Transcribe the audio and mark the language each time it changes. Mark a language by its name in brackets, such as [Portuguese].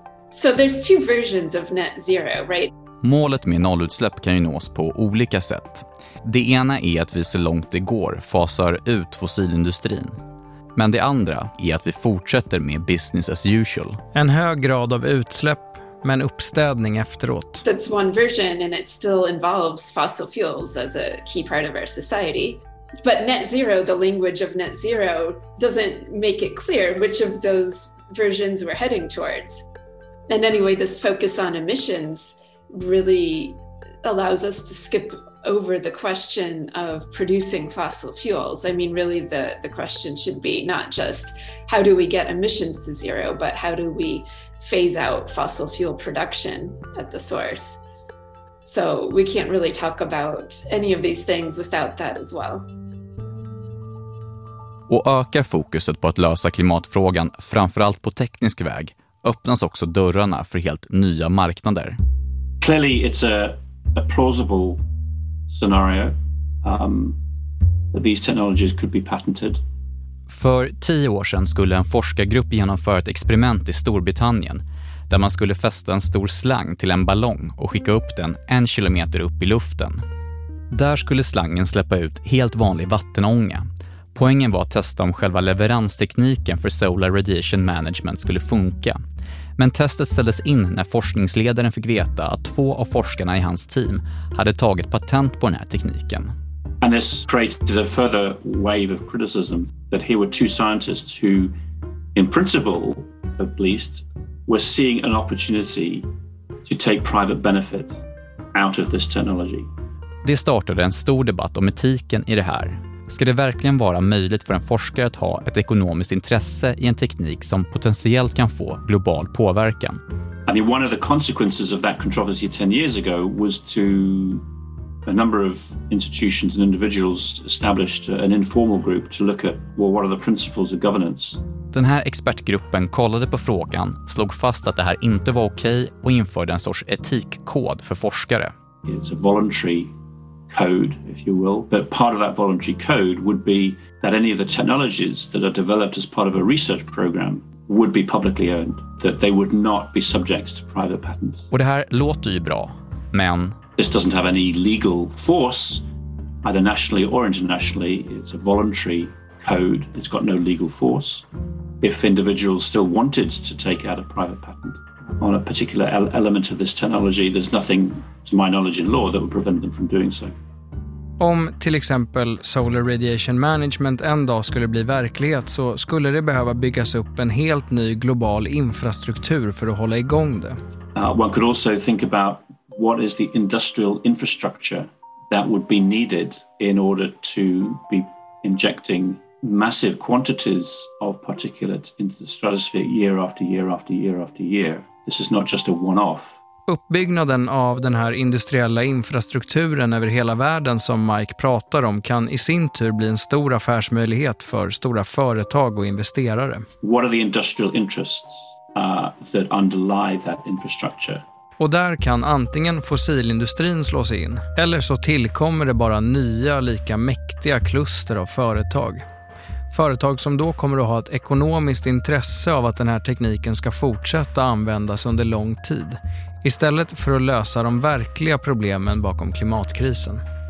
[English] So there's two versions of net zero, right? [Swedish] Målet med nollutsläpp kan ju nås på olika sätt. Det ena är att vi så långt det går fasar ut fossilindustrin. Men det andra är att vi fortsätter med [English] business as usual. [Swedish] En hög grad av utsläpp men uppstädning efteråt. [English] That's one version and it still involves fossil fuels as a key part of our society. But net zero, the language of net zero, doesn't make it clear which of those versions we're heading towards. And anyway, this focus on emissions really allows us to skip over the question of producing fossil fuels. I mean, really the question should be not just how do we get emissions to zero, but how do we phase out fossil fuel production at the source? So we can't really talk about any of these things without that as well. [Swedish] Och ökar fokuset på att lösa klimatfrågan framförallt på teknisk väg, öppnas också dörrarna för helt nya marknader. [English] Clearly it's a plausible scenario that these technologies could be patented. [Swedish] För 10 år sedan skulle en forskargrupp genomföra ett experiment i Storbritannien där man skulle fästa en stor slang till en ballong och skicka upp den 1 kilometer upp i luften. Där skulle slangen släppa ut helt vanlig vattenånga. Poängen var att testa om själva leveranstekniken för solar radiation management skulle funka. Men testet ställdes in när forskningsledaren fick veta att 2 av forskarna i hans team hade tagit patent på den här tekniken. [English] And this created a further wave of criticism that here were 2 scientists who, in principle at least, were seeing an opportunity to take private benefit out of this technology. [Swedish] Det startade en stor debatt om etiken i det här. Ska det verkligen vara möjligt för en forskare att ha ett ekonomiskt intresse i en teknik som potentiellt kan få global påverkan? [English] I mean, one of the consequences of that controversy 10 years ago was to a number of institutions and individuals established an informal group to look at, well, what are the principles of governance? [Swedish] Den här expertgruppen kollade på frågan, slog fast att det här inte var okej och införde en sorts etikkod för forskare. [English] It's a voluntary code, if you will, but part of that voluntary code would be that any of the technologies that are developed as part of a research program would be publicly owned, that they would not be subject to private patents. [Swedish] Och det här låter ju bra, men [English] this doesn't have any legal force, either nationally or internationally. It's a voluntary code. It's got no legal force. If individuals still wanted to take out a private patent on a particular element of this technology, there's nothing, to my knowledge, in law that would prevent them from doing so. [Swedish] Om till exempel solar radiation management en dag skulle bli verklighet, så skulle det behöva byggas upp en helt ny global infrastruktur för att hålla igång det. [English] One could also think about what is the industrial infrastructure that would be needed in order to be injecting massive quantities of particulate into the stratosphere year after year after year after year. This is not just a one-off. [Swedish] Uppbyggnaden av den här industriella infrastrukturen över hela världen som Mike pratar om kan i sin tur bli en stor affärsmöjlighet för stora företag och investerare. [English] What are the industrial interests that underlie that infrastructure? [Swedish] Och där kan antingen fossilindustrin slås in, eller så tillkommer det bara nya, lika mäktiga kluster av företag. Företag som då kommer att ha ett ekonomiskt intresse av att den här tekniken ska fortsätta användas under lång tid, istället för att lösa de verkliga problemen bakom klimatkrisen.